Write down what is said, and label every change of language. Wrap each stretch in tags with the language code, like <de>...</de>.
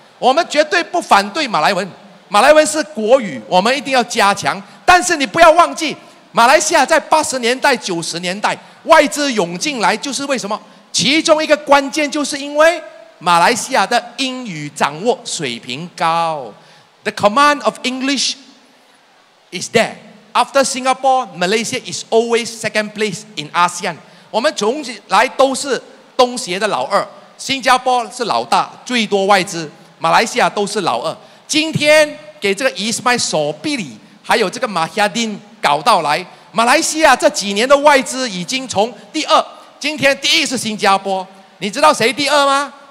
<zh>我们绝对不反对马来文，马来文是国语，我们一定要加强。但是你不要忘记，马来西亚在80年代90年代外资涌进来，就是为什么？其中一个关键就是因为马来西亚的英语掌握水平高。</zh> <en>The command of English is there. After Singapore, Malaysia is always second place in ASEAN.</en> <zh>我们从来都是东协的老二，新加坡是老大，最多外资，马来西亚都是老二。今天给这个伊斯麦索比里还有这个马哈丁搞到来，马来西亚这几年的外资已经从第二，今天第一是新加坡，你知道谁第二吗？</zh>